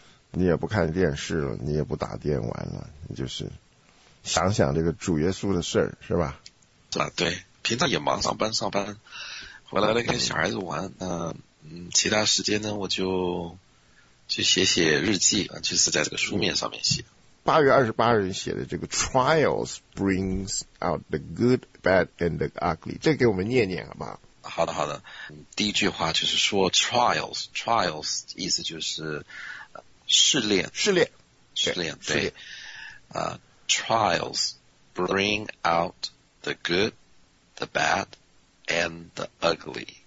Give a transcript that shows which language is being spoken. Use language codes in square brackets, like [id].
[zh] 你也不看电视了，你也不打电玩了，你就是想想这个主耶稣的事儿是吧？是吧、啊？对，平常也忙，上班，回来了跟小孩子玩，其他时间呢，我就去写写日记啊，就是在这个书面上面写。 8月28日写的这个 [en] Trials brings out the good, bad, and the ugly， [zh] 这给我们念念好不好？好的，好的。第一句话就是说 Trials 意思就是试炼，对。 [en] Trials bring out the good, the bad, and the ugly。